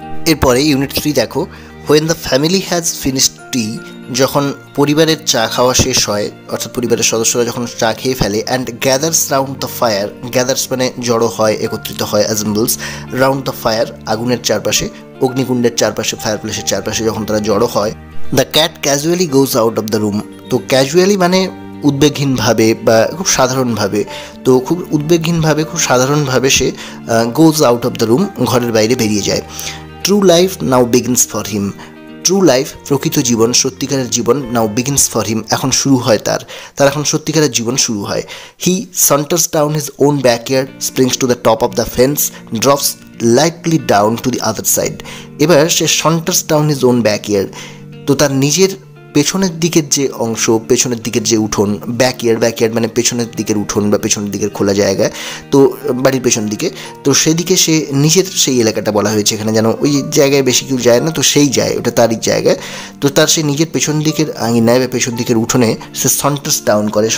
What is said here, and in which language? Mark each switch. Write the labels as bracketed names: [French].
[Bangla] এরপরে ইউনিট 3 দেখো, [English] when the family has finished tea, [Bangla] যখন পরিবারের চা খাওয়া শেষ হয়, অর্থাৎ পরিবারের সদস্যরা যখন চা খেয়ে ফেলে, [English] and gathers round the fire, [Bangla] gathers মানে জড়ো হয়, একত্রিত হয়, [English] assembles, round the fire, [Bangla] আগুনের চারপাশে, অগ্নিকুণ্ডের চারপাশে, ফায়ার প্লেসের চারপাশে যখন তারা জড়ো হয়, [English] the cat casually goes out of the room, [Bangla] তো ক্যাজুয়ালি মানে উদ্বেগহীনভাবে বা খুব সাধারণভাবে, তো খুব উদ্বেগহীনভাবে, খুব সাধারণভাবে সে [English] goes out of the room, [Bangla] ঘরের বাইরে বেরিয়ে যায়। [English] True life now begins for him. True life, [Bangla] প্রকৃত জীবন, সত্যিকারের জীবন, [English] now begins for him, [Bangla] এখন শুরু হয় তার, তার এখন সত্যিকারের জীবন শুরু হয়। [English] He saunters down his own backyard, springs to the top of the fence, drops lightly down to the other side. [Bangla] এবার সে [English] saunters down his own backyard, [Bangla] তো তার নিজের পেছনের দিকের যে অংশ, পেছনের দিকের যে উঠোন, ব্যাকইয়ার্ড মানে পেছনের দিকের উঠোন বা পেছনের দিকের খোলা জায়গা, তো বাড়ির পেছন দিকে, তো সেদিকে সে নিজের সেই এলাকাটা বলা হয়েছে এখানে, যেন ওই জায়গায় বেশি কেউ যায় না, তো সেই যায়, ওটা তারই জায়গা, তো তার সে নিজের পেছন দিকের আঙিনায় বা পেছন দিকের উঠোনে সে সন্টাস ডাউন করে।